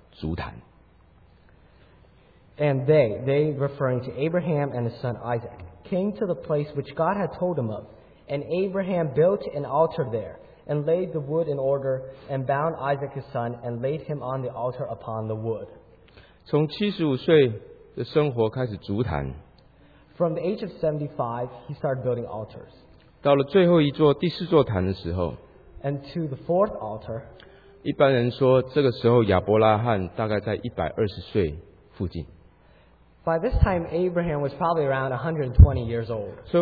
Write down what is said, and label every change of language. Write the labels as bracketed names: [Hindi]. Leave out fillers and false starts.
[Chinese] 他们就是讲亚伯拉罕跟以撒，他们到了神所指示的地方，亚伯拉罕在那里筑坛。 [English] And they referring to Abraham and his son Isaac, came to the place which God had told him of. And Abraham built an altar there, and laid the wood in order, and bound Isaac his son, and laid him on the altar upon the wood. [Chinese] 从75岁的生活开始筑坛。 [English] From the age of 75, he started building altars. [Chinese] 到了最后一座第四座坛的时候。 [English] And to the fourth altar. [Chinese] 一般人说这个时候亚伯拉罕大概在120岁附近。 [English] By this time, Abraham was probably around 120 years old.